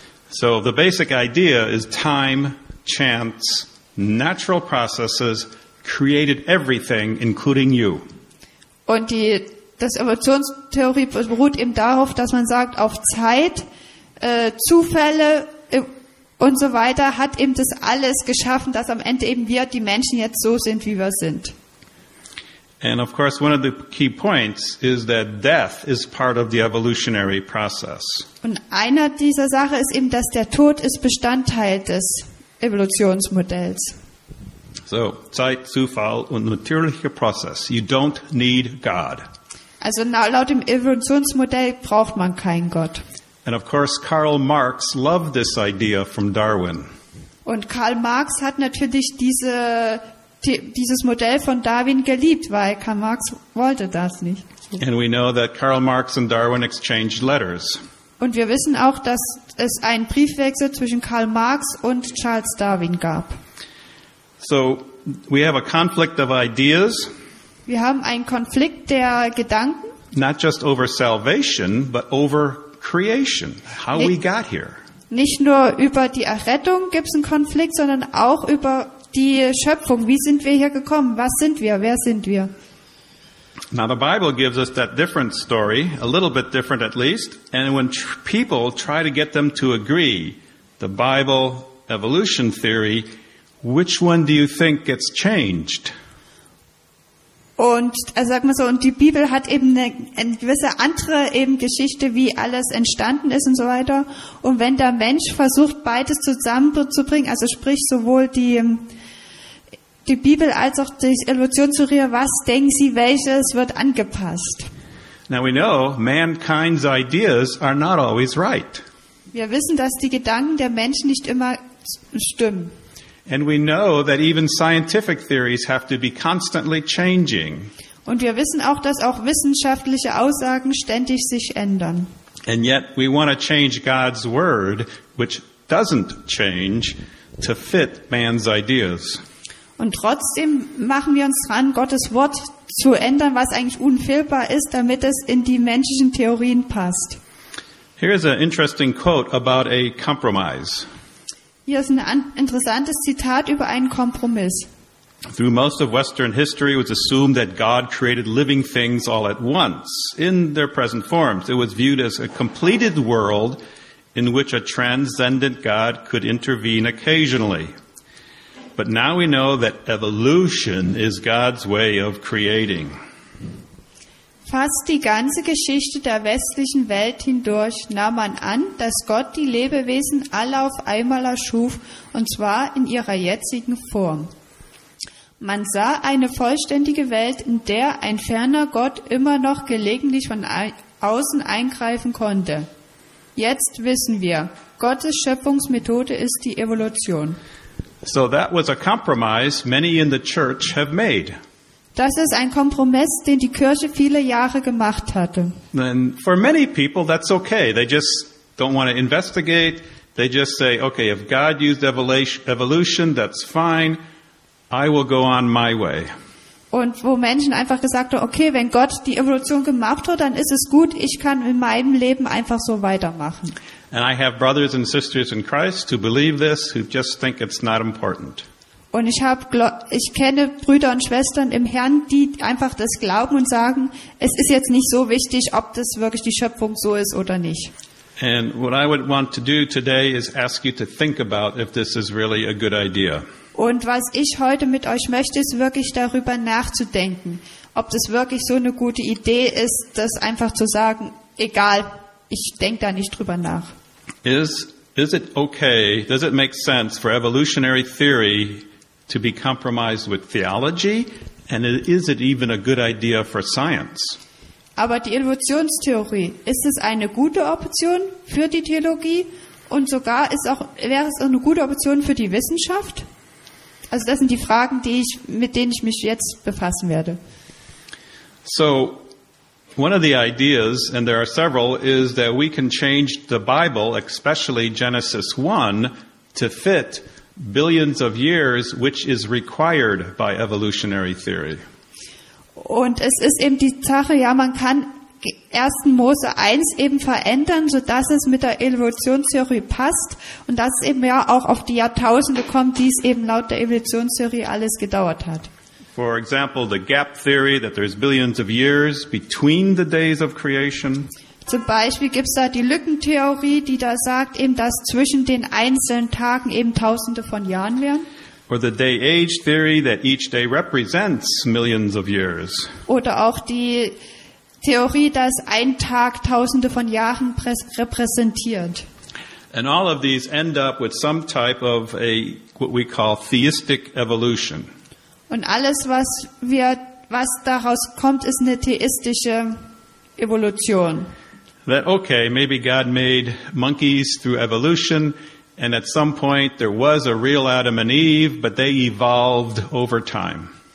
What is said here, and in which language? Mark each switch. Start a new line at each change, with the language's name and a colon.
English: So the basic idea is time, chance, natural processes created everything, including you.
German: Und das Evolutionstheorie beruht eben darauf, dass man sagt, auf Zeit, Zufälle, und so weiter hat eben das alles geschaffen, dass am Ende eben wir die Menschen jetzt so sind, wie wir sind.
English: And of course one of the key points is that death is part of the evolutionary process.
German: Und einer dieser Sachen ist eben, dass der Tod ist Bestandteil des Evolutionsmodells. So, Zeit, Zufall und natürlicher Prozess.
English: You don't need God.
German: Also laut dem Evolutionsmodell braucht man keinen Gott.
English: And of course, Karl Marx loved this idea from Darwin.
German: Und Karl Marx hat natürlich dieses Modell von Darwin geliebt, weil Karl Marx wollte das nicht.
English: And we know that Karl Marx and Darwin exchanged letters.
German: Und wir wissen auch, dass es einen Briefwechsel zwischen Karl Marx und Charles Darwin gab.
English: So we have a conflict of ideas.
German: Wir haben einen Konflikt der Gedanken.
English: Not just over salvation, but over creation, how we got here.
German: Nicht nur über die Errettung gibt es einen Konflikt, sondern auch über die Schöpfung. Wie sind wir hier gekommen? Was sind wir? Wer sind wir?
English: Now the Bible gives us that different story, a little bit different at least. And when people try to get them to agree, the Bible evolution theory, which one do you think gets changed?
German: Und also sag mal so, und die Bibel hat eben eine gewisse andere eben Geschichte, wie alles entstanden ist und so weiter. Und wenn der Mensch versucht, beides zusammenzubringen, also sprich sowohl die Bibel als auch die Evolutionstheorie, was denken Sie, welches wird angepasst?
English: Now we know, mankind's ideas are not always right.
German: Wir wissen, dass die Gedanken der Menschen nicht immer stimmen.
English: And we know that even scientific theories have to be constantly changing.
German: Und wir wissen auch, dass auch wissenschaftliche Aussagen ständig sich ändern.
English: And yet we want to change God's word, which doesn't change, to fit man's ideas.
German: Und trotzdem machen wir uns dran, Gottes Wort zu ändern, was eigentlich unfehlbar ist, damit es in die menschlichen Theorien passt.
English: Here is an interesting quote about a compromise.
German: Hier ist ein interessantes Zitat über einen Kompromiss.
English: Through most of Western history, it was assumed that God created living things all at once in their present forms. It was viewed as a completed world in which a transcendent God could intervene occasionally. But now we know that evolution is God's way of creating.
German: Fast die ganze Geschichte der westlichen Welt hindurch nahm man an, dass Gott die Lebewesen alle auf einmal erschuf, und zwar in ihrer jetzigen Form. Man sah eine vollständige Welt, in der ein ferner Gott immer noch gelegentlich von außen eingreifen konnte. Jetzt wissen wir, Gottes Schöpfungsmethode ist die Evolution.
English: So that was a compromise many in the church have made.
German: Das ist ein Kompromiss, den die Kirche viele Jahre gemacht hatte.
English: And for many people that's okay. They just don't want to investigate. They just say, okay, if God used evolution, that's fine. I will go on my way.
German: Und wo Menschen einfach gesagt haben, okay, wenn Gott die Evolution gemacht hat, dann ist es gut, ich kann in meinem Leben einfach so weitermachen.
English: And I have brothers and sisters in Christ who believe this, who just think it's not important.
German: Und ich kenne Brüder und Schwestern im Herrn, die einfach das glauben und sagen, es ist jetzt nicht so wichtig, ob das wirklich die Schöpfung so ist oder nicht.
English: And what I would want to do today is ask you to think about if this is really a good idea.
German: Und was ich heute mit euch möchte, ist wirklich darüber nachzudenken, ob das wirklich so eine gute Idee ist, das einfach zu sagen, egal, ich denke da nicht drüber nach.
English: Is it okay, does it make sense for evolutionary theory to be compromised with theology? And is it even a good idea for science?
German: Aber die Evolutionstheorie, ist es eine gute Option für die Theologie? Und sogar wäre es auch eine gute Option für die Wissenschaft? Also das sind die Fragen, mit denen ich mich jetzt befassen werde.
English: So, one of the ideas, and there are several, is that we can change the Bible, especially Genesis 1, to fit billions of years, which is required by evolutionary theory.
German: Und es ist eben die Sache, ja, man kann 1. Mose 1 eben verändern, sodass es mit der Evolutionstheorie passt und dass es eben ja auch auf die Jahrtausende kommt, die es eben laut der Evolutionstheorie alles gedauert hat.
English: For example, the gap theory, that there's billions of years between the days of creation.
German: Zum Beispiel gibt es da die Lückentheorie, die da sagt, eben, dass zwischen den einzelnen Tagen eben Tausende von Jahren wären.
English: Or the day-age theory, that each day represents millions of years.
German: Oder auch die Theorie, dass ein Tag Tausende von Jahren repräsentiert.
English: And all of these end up with some type of a what we call theistic evolution.
German: Und alles, was daraus kommt, ist eine theistische Evolution.
English: That okay, maybe God made monkeys through evolution, and at some point there was a real Adam and Eve, but they evolved over time.